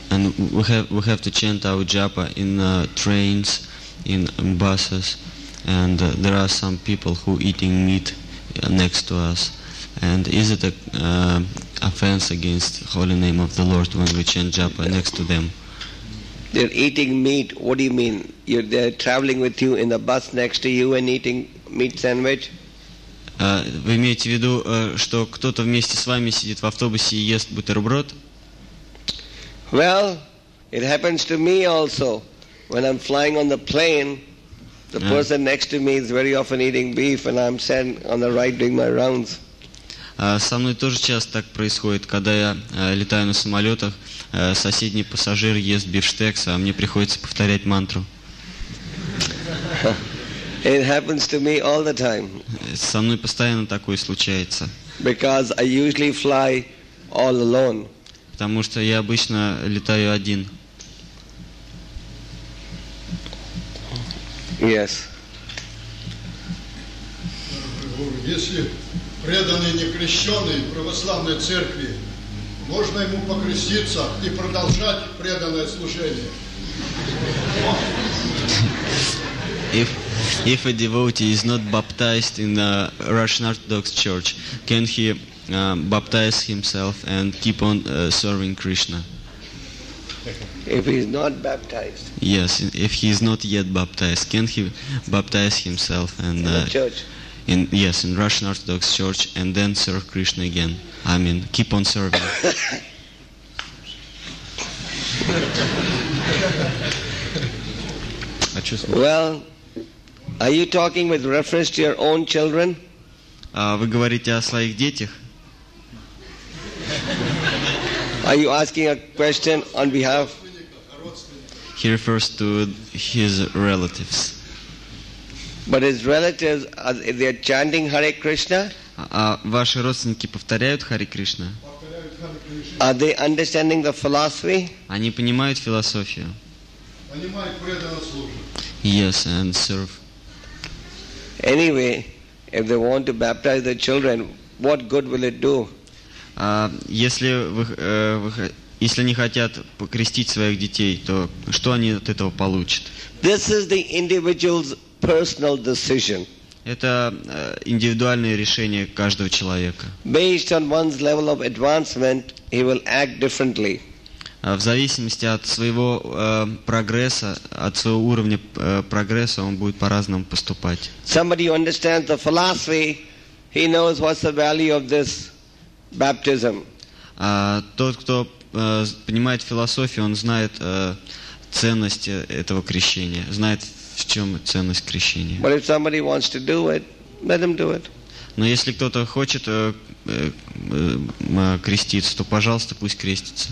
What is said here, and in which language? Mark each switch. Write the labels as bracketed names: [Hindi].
[English] And we have to chant our japa in trains, in buses, and there are some people who eating meat next to us. And is it an offense against the holy name of the Lord when we chant japa next to them? They're eating meat. What do you mean? They're traveling with you in the bus next to you and eating meat sandwich? [Russian] Вы имеете в виду, что кто-то вместе с вами сидит в автобусе и ест бутерброд? [English] Well, it happens to me also. When I'm flying on the plane, the person next to me is very often eating beef and I'm sent on the right doing my rounds. [Russian] Со мной тоже часто так происходит, когда я летаю на самолетах, соседний пассажир ест бифштекс, а мне приходится повторять мантру. [English] It happens to me all the time. [Russian] Со мной постоянно такое случается. [English] Because I usually fly all alone. [Russian] Потому что я обычно летаю один. [English] Yes. [Russian] Если преданный некрещенный православной церкви, можно ему покреститься и продолжать преданное служение. [English] If a devotee is not baptized in the Russian Orthodox Church, can he baptize himself and keep on serving Krishna? If he is not baptized. Yes, if he is not yet baptized, can he baptize himself and in the church? In Russian Orthodox Church, and then serve Krishna again. I mean, keep on serving. Well, are you talking with reference to your own children? [Russian] Вы говорите о своих детях? [English] Are you asking a question on behalf? He refers to his relatives. But his relatives, are they chanting Hare Krishna? [Russian] Ваши родственники повторяют Hare Krishna? [English] Are they understanding the philosophy? [Russian] Они понимают философию? Понимают преданно служат. [English] Yes, and serve. Anyway, if they want to baptize their children, what good will it do? [Russian] Если они хотят покрестить своих детей, то что они от этого получат? [English] This is the individual's personal decision. [Russian] Это индивидуальное решение каждого человека. [English] Based on one's level of advancement, he will act differently. [Russian] В зависимости от своего прогресса, от своего уровня прогресса, он будет по-разному поступать. [English] Somebody who understands the philosophy, he knows what's the value of this baptism. [Russian] Тот, кто понимает философию, он знает ценность этого крещения, знает, в чем ценность крещения. [English] But if somebody wants to do it, let them do it. [Russian] Но если кто-то хочет креститься, то, пожалуйста, пусть крестится.